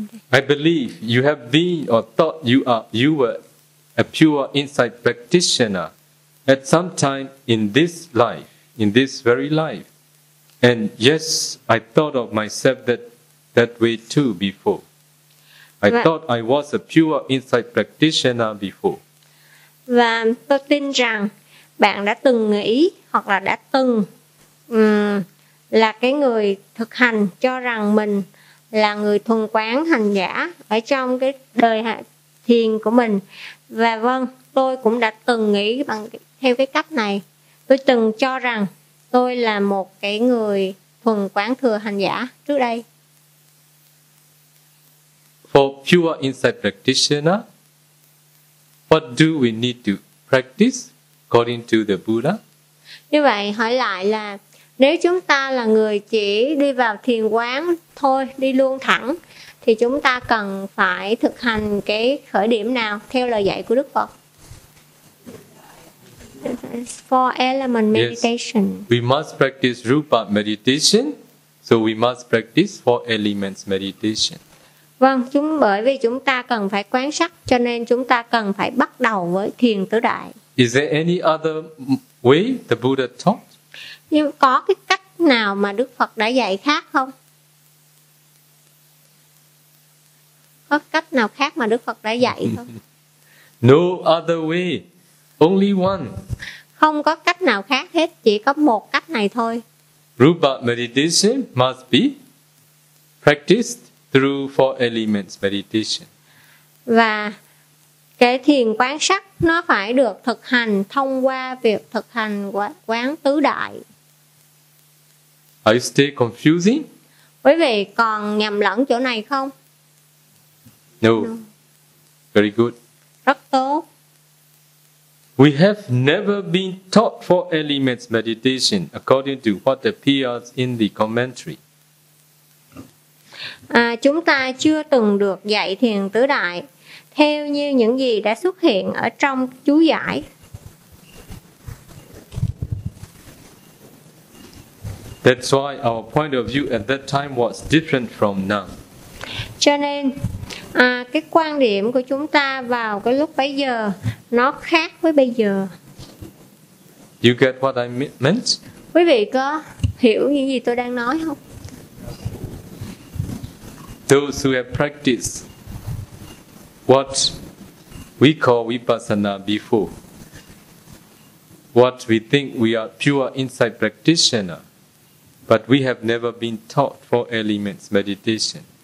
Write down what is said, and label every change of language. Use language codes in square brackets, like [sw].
[en] I believe you have been or thought you were a pure insight practitioner at some time in this life, in this very life. And yes, I thought of myself that way too before. I thought I was a pure insight practitioner before. [vi] Và tôi tin rằng bạn đã từng nghĩ hoặc là đã từng là cái người thực hành cho rằng mình là người thuần quán hành giả ở trong cái đời thiền của mình. Và vâng, tôi cũng đã từng nghĩ bằng theo cái cách này. Tôi từng cho rằng tôi là một cái người thuần quán thừa hành giả trước đây. [en] For pure insight practitioner, what do we need to practice according to the Buddha? [vi] Như vậy, hỏi lại là nếu chúng ta là người chỉ đi vào thiền quán thôi, đi luôn thẳng, thì chúng ta cần phải thực hành cái khởi điểm nào theo lời dạy của Đức Phật? [en] Four element meditation. Yes. We must practice rupa meditation, so we must practice four elements meditation. [vi] Vâng, bởi vì chúng ta cần phải quán sắc, cho nên chúng ta cần phải bắt đầu với thiền tứ đại. [en] Is there any other way the Buddha taught? [vi] Nhưng có cái cách nào mà Đức Phật đã dạy khác không? Có cách nào khác mà Đức Phật đã dạy không? [en] No other way, only one. [vi] Không có cách nào khác hết, chỉ có một cách này thôi. [en] Rupa meditation must be practiced through four elements meditation. [vi] Và cái thiền quán sắc nó phải được thực hành thông qua việc thực hành quán tứ đại. [en] Are you still confusing? [vi] Quý vị còn nhầm lẫn chỗ này không? [en] No. Very good. [vi] Rất tốt. [en] We have never been taught four elements meditation according to what appears in the commentary. [vi] Chúng ta chưa từng được dạy thiền tứ đại theo như những gì đã xuất hiện ở trong chú giải. [en] That's why our point of view at that time was different from now. [vi] Cho nên cái quan điểm của chúng ta vào cái lúc bấy giờ nó khác với bây giờ. [en] You get what I meant? [vi] Quý vị có hiểu những gì tôi đang nói không? [en] Those who have practiced what we call vipassana before, what we think we are pure insight practitioner, but we have never been taught four elements meditation.